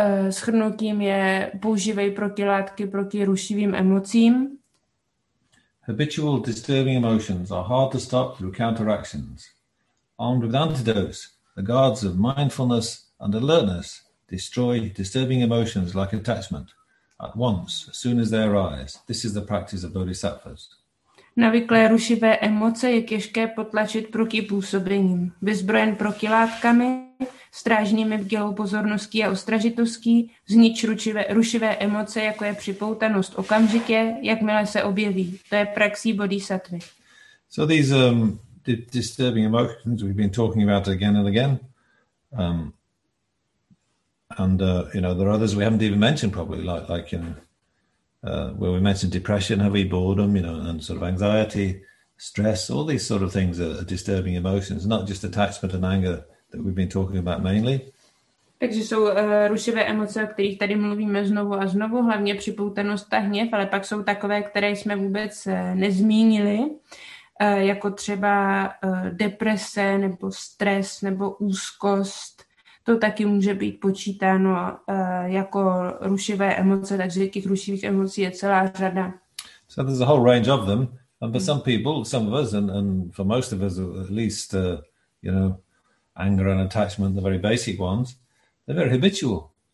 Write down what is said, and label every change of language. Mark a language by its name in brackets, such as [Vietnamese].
[Czech] Shrnutím je používej protilátky proti rušivým emocím. [English] Habitual disturbing emotions are hard to stop through counteractions. Armed with antidotes, the guards of mindfulness and alertness destroy disturbing emotions like attachment at once, as soon as they arise. This is the practice of bodhisattvas. [Czech] Navyklé rušivé emoce je těžké potlačit proti působením. Vyzbrojen protilátkami, strážními bdělou pozorností a ostražitostí, znič rušivé emoce, jako je připoutanost, okamžitě, jakmile se objeví. To je praxí bodhisattvy. [English] So these disturbing emotions we've been talking about again and again. There are others we haven't even mentioned probably, like in... where we mentioned depression, heavy boredom, you know, and sort of anxiety, stress, all these sort of things are disturbing emotions, not just attachment and anger that we've been talking about mainly. [Czech] Takže jsou rušivé emoce, o kterých tady mluvíme znovu a znovu, hlavně připoutanost a hněv, ale pak jsou takové, které jsme vůbec nezmínili, jako třeba deprese nebo stres nebo úzkost. To taky může být počítáno jako rušivé emoce, takže těch rušivých emocí je celá řada. [English] So there's a whole range of them, and for some people, some of us, and for most of us, at least, you know, anger and attachment, the very basic ones, they're very habitual.